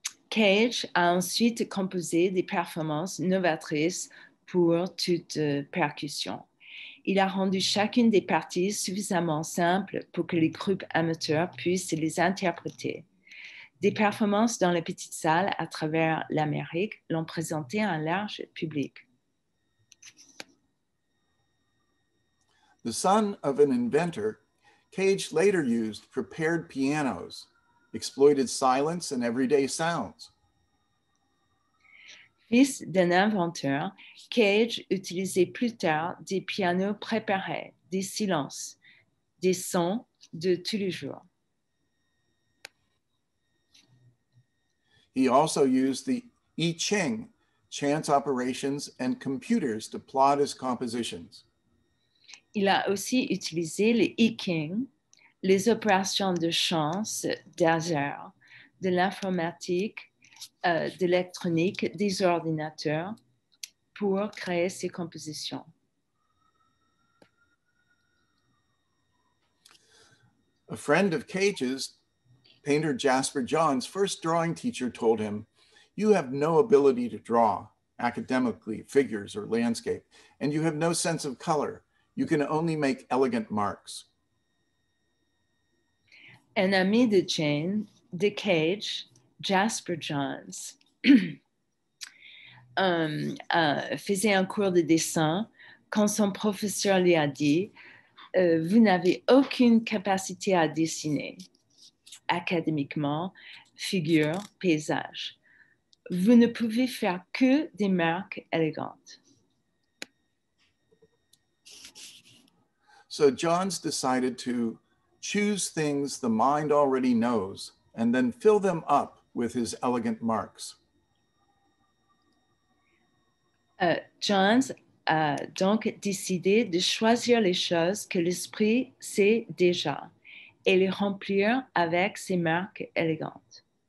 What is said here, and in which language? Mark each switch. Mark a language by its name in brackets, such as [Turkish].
[French] Cage a ensuite composé des performances novatrices pour toute percussion. Il a rendu chacune des parties suffisamment simple pour que les groupes amateurs puissent les interpréter. Des performances dans les petites salles à travers l'Amérique l'ont présenté à un large public. [English] The son of an inventor, Cage later used prepared pianos, exploited silence and everyday sounds. [French] Fils d'un inventeur, Cage utilisait plus tard des pianos préparés, des silences, des sons de tous les jours. [English] He also used the I Ching, chance operations and computers to plot his compositions. [French] Il a aussi utilisé les I Ching, les opérations de chance, d'hasard, de l'informatique, d'électronique, des ordinateurs pour créer ses compositions. [English] A friend of Cage's, painter Jasper John's first drawing teacher told him, "You have no ability to draw academically figures or landscape, and you have no sense of color. You can only make elegant marks." [French] Un ami de Jane, de Cage, Jasper Johns, faisait un cours de dessin quand son professeur lui a dit « Vous n'avez aucune capacité à dessiner académiquement, figure, paysage. Vous ne pouvez faire que des marques élégantes. » [English] So Johns decided to choose things the mind already knows and then fill them up with his elegant marks. [French] Johns a donc décidé de choisir les choses que l'esprit sait déjà et les remplir avec ses marques élégantes.